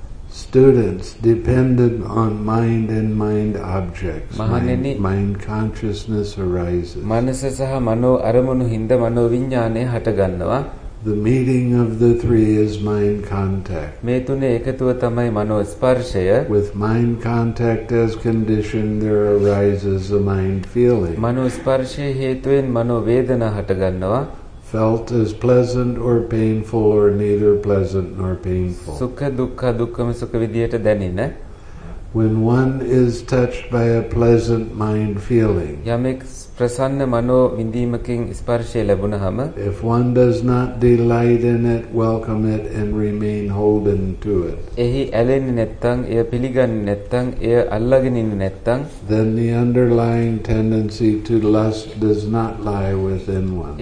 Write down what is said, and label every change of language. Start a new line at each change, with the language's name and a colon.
English: students dependent on mind and mind objects mind consciousness arises
Sinhala: manasa saha mano aramunu hinda mano vinyane hata gannawa
English: The meeting of the three is mind contact.
Sinhala: මේ තුනේ එකතුව තමයි මනෝ ස්පර්ශය.
English: With mind contact as condition there arises a mind feeling.
Sinhala: මනෝ ස්පර්ශයේ හේතුවෙන් මනෝ වේදනා හට ගන්නවා.
English: Felt as pleasant or painful or neither pleasant nor painful.
Sinhala: සුඛ දුක්ඛ දුක්ඛම සුඛ විදියට දැනෙන.
English: When one is touched by a pleasant mind feeling.
Sinhala: යමෙක් ප්‍රසන්න මනෝ විඳීමකින් ස්පර්ශය ලැබුණහම
English: If one does not delight in it, welcome it and remain holding to it.
Sinhala: එහි ඇලෙන්නේ නැත්නම්, එය පිළිගන්නේ නැත්නම්, එය අල්ලාගෙන ඉන්නේ නැත්නම්
English: Then the underlying tendency to lust does not lie within one.